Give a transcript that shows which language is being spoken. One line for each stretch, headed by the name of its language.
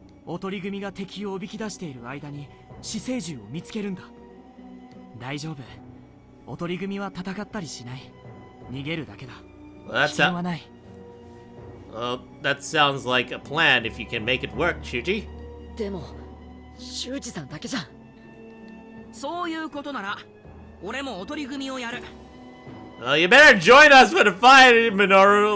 Japanese: おとり組が敵を追い出している間に姿勢銃を見つけるんだ。大丈夫。おとり組は戦ったりしない。逃げるだけだ。危険はない。
English: Well, that sounds like a plan if you can make it work, Shuji.
Japanese: でも、シュウジさんだけじゃ。そういうことなら、俺もおとり組をやる。Well,
English: you better join us for the fight, Minoru.